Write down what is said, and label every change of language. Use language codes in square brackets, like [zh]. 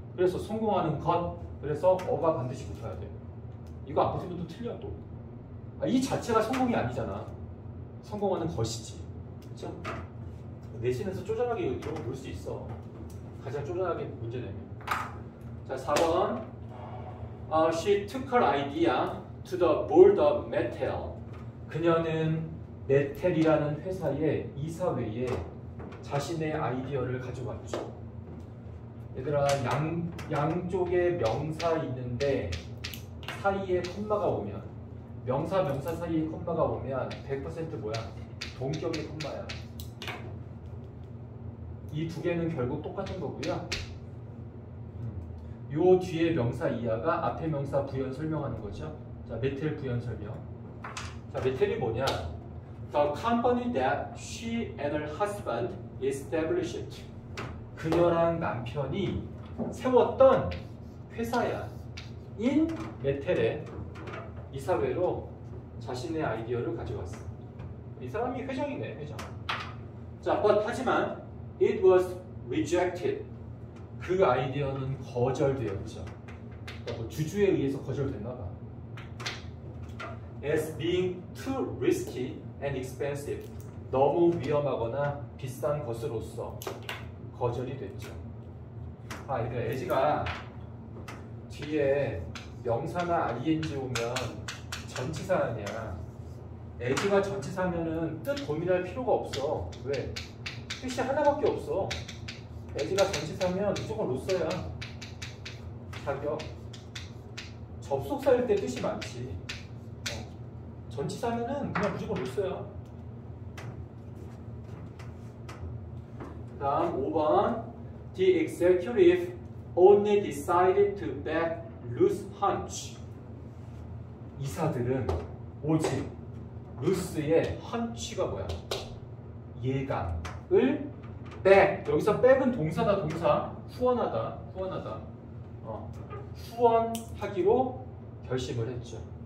[ko] 그래서 성공하는 것. 그래서 어가 반드시 붙어야 돼. 이거 안 붙으면 또 틀려 또. 아, 이 자체가 성공이 아니잖아. 성공하는 것이지. 그쵸? 내신에서 쪼잔하게 이런 거 볼 수 있어. 가장 쪼잔하게 문제 내면. 자 4번. [en] She took her idea to the board of Mattel. [ko] 그녀는 메텔이라는 회사의 이사회에 자신의 아이디어를 가져왔죠. 얘들아 양쪽에 명사 있는데 사이에 콤마가 오면 명사 명사 사이에 콤마가 오면 100% 뭐야? 동격의 콤마야. 이 두 개는 결국 똑같은 거고요. 요 뒤에 명사 이하가 앞에 명사 부연 설명하는 거죠. 자 메텔 부연 설명. 자 메텔이 뭐냐? [en] The company that she and her husband established. [ko] 그녀랑 남편이 세웠던 회사야. In 메텔에 이사회로 자신의 아이디어를 가져왔어. 이 사람이 회장이네, 회장. 자, but 하지만 [en] it was rejected. [ko] 그 아이디어는 거절되었죠. 뭐 주주에 의해서 거절됐나 봐. [en] As being too risky. and expensive [ko] 너무 위험하거나 비싼 것으로서 거절이 됐죠. 아 이거 에지가 뒤에 명사나 ing 오면 전치사 아니야. 에지가 전치사면은 뜻 고민할 필요가 없어. 왜? 뜻이 하나밖에 없어. 에지가 전치사면 무조건 로써야. 자격 접속사일 때 뜻이 많지. 전치사면은 그냥 무조건 로써야. 다음 5번 [en] The executive only decided to back Ruth Hunch [ko] 이사들은 오직 루스의 헌취가 뭐야? 예감을 백. 여기서 백은 동사다. 동사 후원하다. 후원하다. 후원하기로 결심을 했죠.